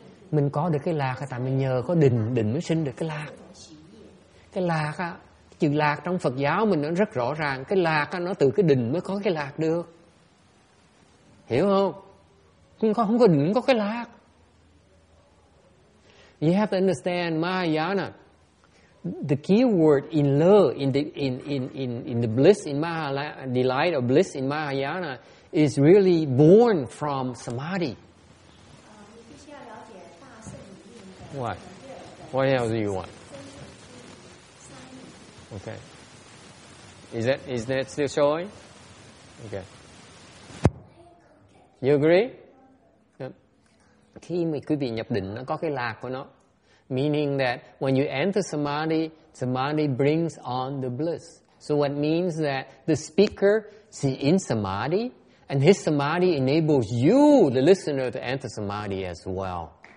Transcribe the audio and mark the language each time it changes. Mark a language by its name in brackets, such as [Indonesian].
[Vietnamese] Mình có được cái lạc tại mình nhờ có định, định mới sinh được cái lạc. Cái lạc á, chữ lạc trong Phật giáo mình nó rất rõ ràng. Cái lạc á, nó từ cái định mới có cái lạc được. Hiểu không? Không có định, không có cái lạc. [English] You have to understand Mahayana. The key word in love, in the bliss in Mahayana, delight or bliss in Mahayana, is really born from samadhi. What? What else do you want? Okay. Is that still showing? Okay. You agree? [Vietnamese] Khi mà quý vị nhập định, nó có cái lạc của nó. [English] Meaning that when you enter samadhi, samadhi brings on the bliss. So what means that the speaker is in samadhi, and his samadhi enables you, the listener, to enter samadhi as well.